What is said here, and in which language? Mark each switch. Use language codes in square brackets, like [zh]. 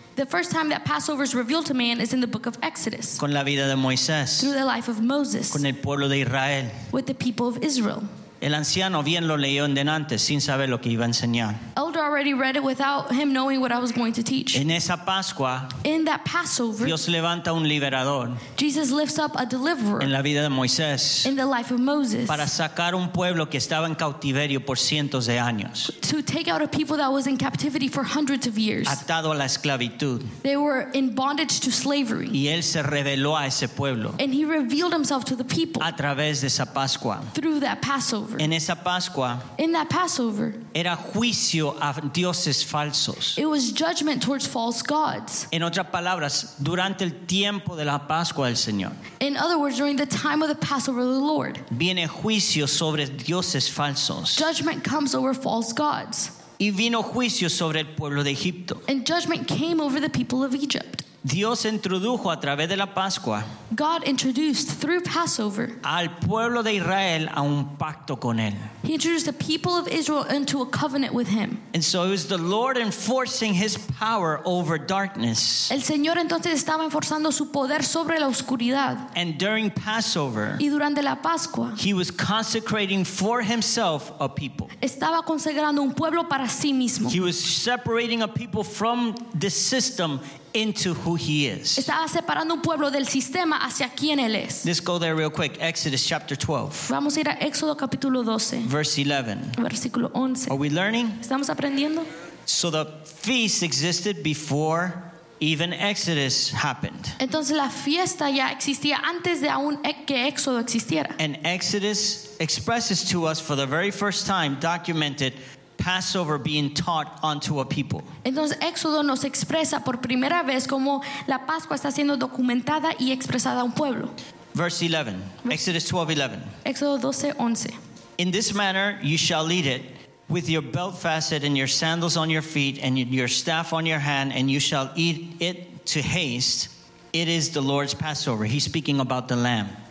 [en] The first time that Passover is revealed to man is in the book of Exodus. [es] Con la vida de Moisés. [en] Through the life of Moses. [es] Con el pueblo de Israel. [en] With the people of Israel. [es] El anciano bien lo leyó en delante sin saber lo que iba a enseñar. [en] Elder already read it without him knowing what I was going to teach. [es] En esa Pascua, [en] in that Passover, [es] Dios levanta un liberador. [en] Jesus lifts up a deliverer. [es] En la vida de Moisés. [en] In the life of Moses. [es] Para sacar un pueblo que estaba en cautiverio por cientos de años. [en] To take out a people that was in captivity for hundreds of years. [es] Atado a la esclavitud. [en] They were in bondage to slavery. [es] Y él se reveló a ese pueblo. [en] And he revealed himself to the people. [es] A través de esa Pascua. [en] Through that Passover. [es] En esa Pascua, [en] in that Passover, [es] era juicio a dioses falsos. [en] It was judgment towards false gods. [es] En otras palabras, durante el tiempo de la Pascua del Señor. [en] In other words, during the time of the Passover of the Lord. [es] Viene juicio sobre dioses falsos. [en] Judgment comes over false gods. [es] Y vino juicio sobre el pueblo de Egipto. [en] And judgment came over the people of Egypt. [es] Dios introdujo a través de la Pascua. [en] God introduced through Passover. [es] Al pueblo de Israel a un pacto con él. [en] He introduced the people of Israel into a covenant with him. And so it was the Lord enforcing his power over darkness. [es] El Señor entonces estaba enforzando su poder sobre la oscuridad. [en] And during Passover. [es] Y durante la Pascua. [en] He was consecrating for himself a people. [es] Estaba consagrando un pueblo para sí mismo. [en] He was separating a people from the system into who he is. [es] Estaba separando un pueblo del sistema hacia quien él es. [en] Let's go there real quick. Exodus chapter 12. [es] Vamos a ir a Éxodo capítulo 12. [en] Verse 11. [es] Versículo 11. [en] Are we learning? [es] Estamos aprendiendo. [en] So the feast existed before even Exodus happened. [es] Entonces la fiesta ya existía antes de aún que Éxodo existiera. [en] And Exodus expresses to us for the very first time documented Passover being taught unto a people. [es] Entonces Éxodo nos expresa por primera vez cómo la Pascua está siendo documentada y expresada a un pueblo. [en] Verse 11. Exodus 12:11. [es] Éxodo 12:11. [en] In this manner you shall eat it, with your belt fastened and your sandals on your feet and your staff on your hand, and you shall eat it to haste. It is the Lord's Passover. He's speaking about the lamb.